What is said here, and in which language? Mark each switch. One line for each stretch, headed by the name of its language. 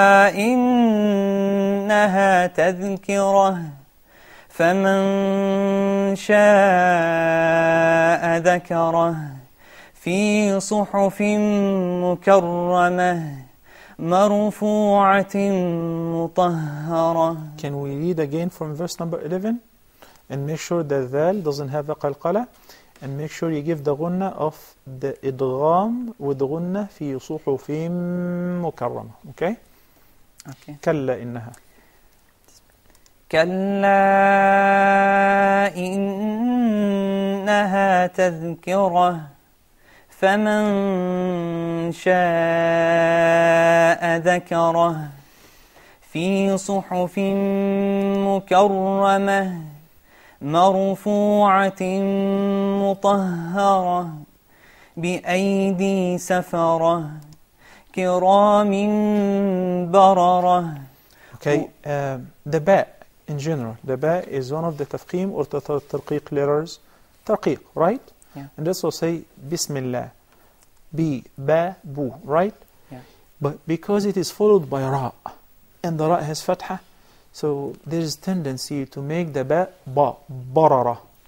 Arabic: إنها تذكرة فمن شاء ذكره في صحف مكرمة مرفوعة مطهرة.
English: Can we read again from verse number 11 and make sure that ذال doesn't have a qalqala? And make sure you give the ghunna of the idgham with ghunna
Arabic: fi suhufim mukarrama.
English: Okay? Okay.
Arabic: Kalla innaha. Kalla innaha tadhkira. Faman shaa dhakara. Fi suhufim mukarrama. مرفوعة مطهرة بأيدي سفرة كرام بررة.
English: Okay, the ba in general, the ba is one of the tafqim or tarqiq letters. Tarqiq, right? Yeah. And this will say Bismillah, bi ba bu, right? Yeah. But because it is followed by ra, and the ra has fatha, so there is tendency to make the ba, ba, barara.